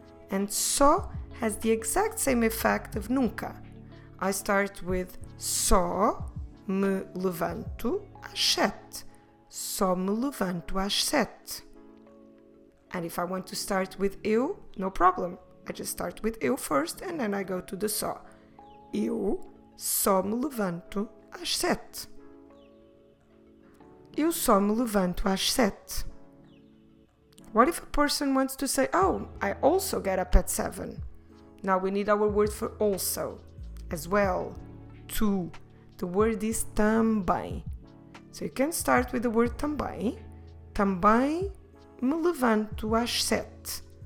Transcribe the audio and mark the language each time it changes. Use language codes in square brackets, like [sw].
[en] And só has the exact same effect of nunca. I start with [pt] só me levanto às 7. Só me levanto às 7. [en] And if I want to start with eu, no problem. I just start with eu first and then I go to the só. [pt] Eu só me levanto às 7. Eu só me levanto às 7. [en] What if a person wants to say, oh, I also get up at 7? Now we need our word for also, as well, too. The word is também. So you can start with the word também. [pt] Também me levanto às 7.